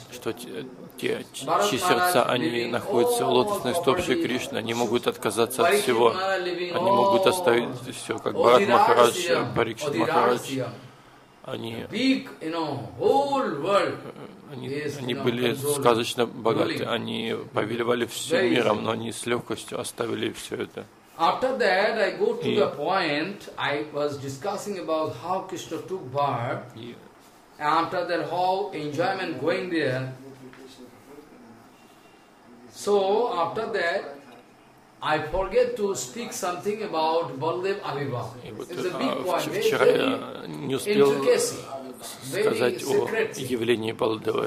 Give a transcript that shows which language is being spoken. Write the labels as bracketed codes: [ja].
[ru] Что чьи сердца, они находятся в лотосных стопах Шри Кришны, они могут отказаться от всего, они могут оставить все, как Бхарат Махарадж, Парикшит Махарадж, они были сказочно богаты, они повелевали всем миром, но они с легкостью оставили все это. [en] After that, I go to the point I was discussing about how Krishna took birth. After that, how enjoyment going there? So after that, I forget to speak something about Baldev Abhibha. It's a big point. [ru] Вчера я не успел сказать о явлении Балдева.